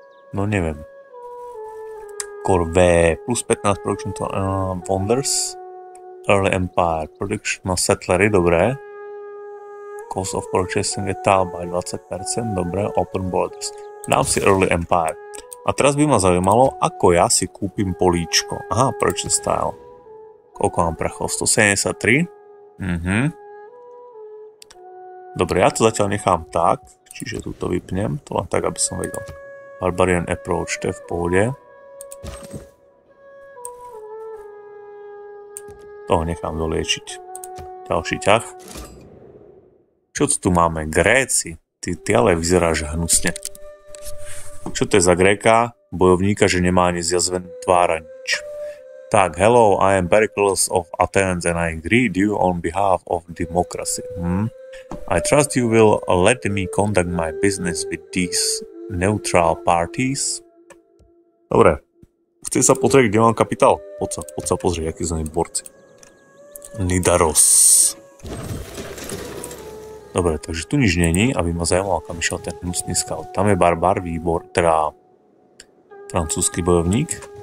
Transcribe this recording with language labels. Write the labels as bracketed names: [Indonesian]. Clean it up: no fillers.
[Slovak] No neviem. Korve, [English] plus 15 production to Wonders. Early Empire, production [Slovak] na Settlery, dobré. [English] Cost of purchasing a tal by 20%, [Slovak] dobré, [English] open borders. [Slovak] Dám si Early Empire. A teraz by ma zaujímalo, ako ja si kúpim políčko. Aha, [English] purchase style. [Slovak] Koľko mám prachov? 173? Mhm. Dobre, ja to zatiaľ nechám tak, čiže túto vypnem, to len tak, aby som vedel. Barbarian approach, to je v pohode. Toho nechám doliečiť. Ďalší ťah. Čo tu máme? Gréci? Ty ale vyzeráš hnusne. Čo to je za Gréka? Bojovníka, že nemá ani zjazven tvára nič. Tak, [English] hello, I am Pericles of Athens and I greet you on behalf of democracy. I trust you will let me conduct my business with these neutral parties. [Slovak] Dobre. Chce sa pozrieť, kde mám kapitál? Poď sa pozrieť, aký sú borci. Nidaros. Dobre, takže tu nič není, aby ma zaujímalo, kam išiel ten hnusný scout. Tam je barbar, výbor, teda francúzsky bojovník.